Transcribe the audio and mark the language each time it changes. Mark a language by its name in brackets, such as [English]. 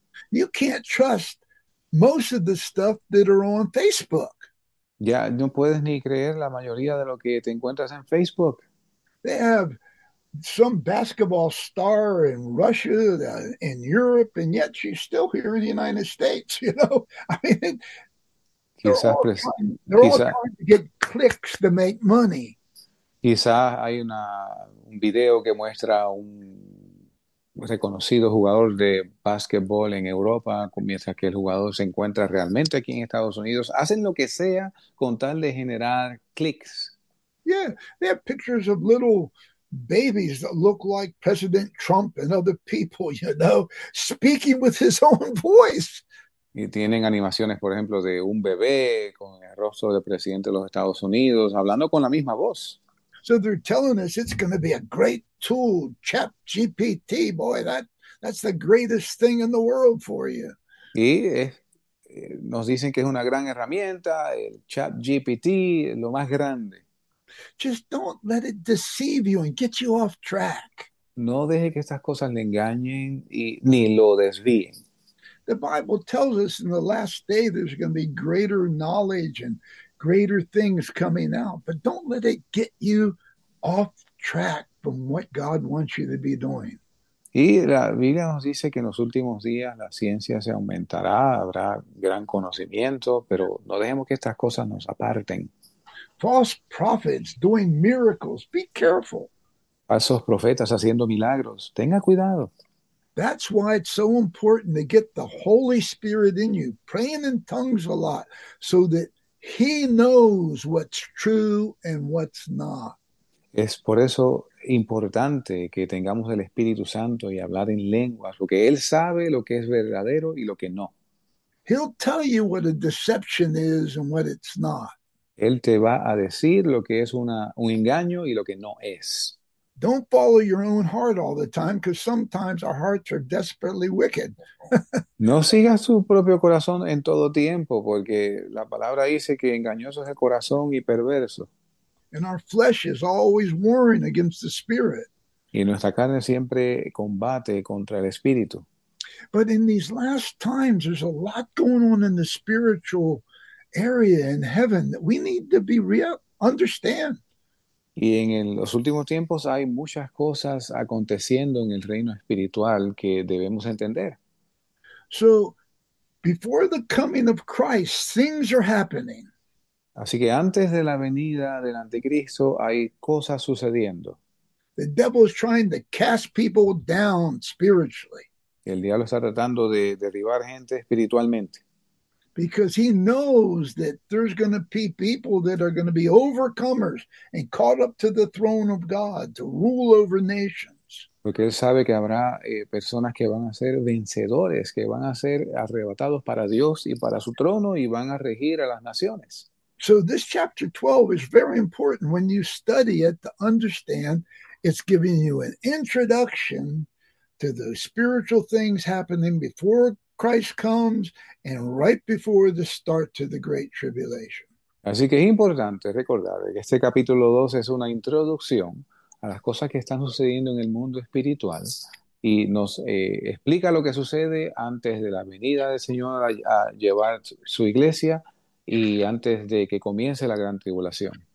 [English] You can't trust most of the stuff that are on Facebook. [Spanish] Ya no puedes ni creer la mayoría de lo que te encuentras en Facebook. [English] They have some basketball star in Russia, in Europe, and yet she's still here in the United States, you know? I mean, [Spanish] Quizás, [English] they're all trying to get clicks to make money. [Spanish] hay un video que muestra a un reconocido jugador de básquetbol en Europa, mientras que el jugador se encuentra realmente aquí en Estados Unidos. Hacen lo que sea con tal de generar clics. [English] Yeah, they have pictures of little babies that look like President Trump and other people, you know, speaking with his own voice. [Spanish] Y tienen animaciones, por ejemplo, de un bebé con el rostro del presidente de los Estados Unidos hablando con la misma voz. [English] So they're telling us it's going to be a great tool, ChatGPT, boy, that's the greatest thing in the world for you. [Spanish] Y nos dicen que es una gran herramienta, el chat GPT, lo más grande. [English] Just don't let it deceive you and get you off track. [Spanish] No deje que estas cosas le engañen y ni lo desvíen. [English] The Bible tells us in the last day there's going to be greater knowledge and greater things coming out, but don't let it get you off track from what God wants you to be doing. [Spanish] Y la Biblia nos dice que en los últimos días la ciencia se aumentará, habrá gran conocimiento, pero no dejemos que estas cosas nos aparten. [English] False prophets doing miracles. Be careful. [Spanish] Falsos profetas haciendo milagros, tenga cuidado. [English] That's why it's so important to get the Holy Spirit in you, praying in tongues a lot, so that He knows what's true and what's not. [Spanish] Es por eso importante que tengamos el Espíritu Santo y hablar en lenguas, porque Él sabe lo que es verdadero y lo que no. [English] He'll tell you what a deception is and what it's not. [Spanish] Él te va a decir lo que es un engaño y lo que no es. [English] Don't follow your own heart all the time, because sometimes our hearts are desperately wicked. [Spanish] No sigas su propio corazón en todo tiempo, porque la palabra dice que engañoso es el corazón y perverso. [English] And our flesh is always warring against the spirit. [Spanish] Y nuestra carne siempre combate contra el espíritu. [English] But in these last times, there's a lot going on in the spiritual area in heaven that we need to be real, understand. [Spanish] Y en los últimos tiempos hay muchas cosas aconteciendo en el reino espiritual que debemos entender. [English] So, before the coming of Christ, things are happening. [Spanish] Así que antes de la venida del anticristo hay cosas sucediendo. [English] The devil is trying to cast people down spiritually [Spanish] El diablo está tratando de derribar gente espiritualmente. [English] because he knows that there's going to be people that are going to be overcomers and caught up to the throne of God to rule over nations. [Spanish] Porque él sabe que habrá personas que van a ser vencedores, que van a ser arrebatados para Dios y para su trono y van a regir a las naciones. [English] So this chapter 12 is very important when you study it to understand. It's giving you an introduction to the spiritual things happening before Christ comes and right before the start to the Great Tribulation. [Spanish] Así que es importante recordar que este capítulo 2 es una introducción a las cosas que están sucediendo en el mundo espiritual y nos explica lo que sucede antes de la venida del Señor a llevar su iglesia y antes de que comience la gran tribulación.